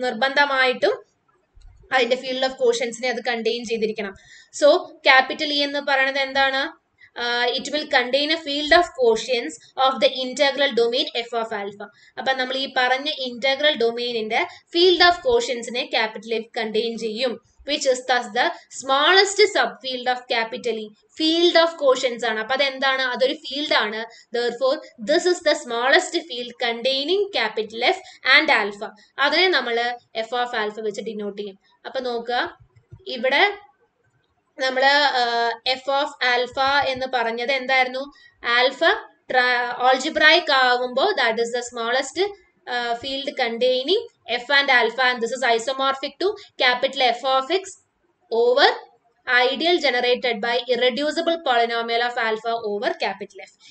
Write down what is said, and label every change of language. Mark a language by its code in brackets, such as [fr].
[ml] നിർബന്ധമായിട്ടും അതിന്റെ field of കോഷ്യൻസിനെ അത് കണ്ടെയ്ൻ ചെയ്തിരിക്കണം. [en] so capital E [ml] എന്ന് പറയുന്നത് എന്താണ്? [en] It will contain a field of quotients of the integral domain F of alpha. [ml] അപ്പൊ നമ്മൾ ഈ പറഞ്ഞ integral ഡൊമെയിനിന്റെ field of കോഷ്യൻസിനെ capital E contain ചെയ്യും. [en] Which is thus the smallest subfield of capital E. Field of quotients [ml] ആണ്. അപ്പൊ അതെന്താണ്? അതൊരു field ആണ്. [en] Therefore, this is the smallest field containing capital F and alpha. [ml] അതിനെ നമ്മൾ എഫ് ഓഫ് ആൽഫ വെച്ച് denote ചെയ്യും. അപ്പൊ നോക്കുക, ഇവിടെ നമ്മൾ എഫ് ഓഫ് ആൽഫ എന്ന് പറഞ്ഞത് എന്തായിരുന്നു? [en] alpha algebraic [ml] ആകുമ്പോൾ [en] That is the smallest field containing F and alpha, and this is isomorphic to capital F of X over ideal generated by irreducible polynomial of alpha over capital F.